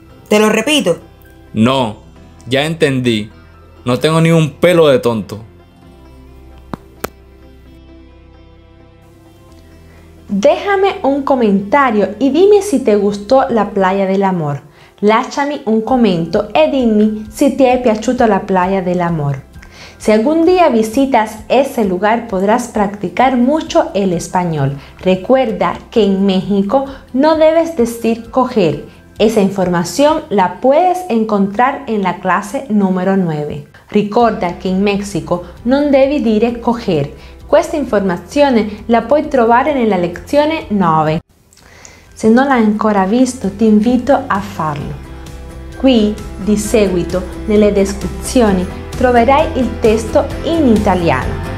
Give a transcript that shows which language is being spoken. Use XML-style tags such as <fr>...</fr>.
<es>¿Te lo repito? No, ya entendí. No tengo ni un pelo de tonto. Déjame un comentario y dime si te gustó la playa del amor.</es> <it>Lasciami un commento e dimmi se ti è piaciuta la playa del amor.</it> <es>Se algún día visitas ese lugar podrás practicar mucho el español. Recuerda que en México no debes decir coger. Esa información la puedes encontrar en la clase número 9.</es> <it>Ricorda que en México non devi dire coger. Questa informazione la puoi trovare nella lezione 9. Se non l'hai ancora visto, ti invito a farlo. Qui, di seguito, nelle descrizioni, troverai il testo in italiano.</it>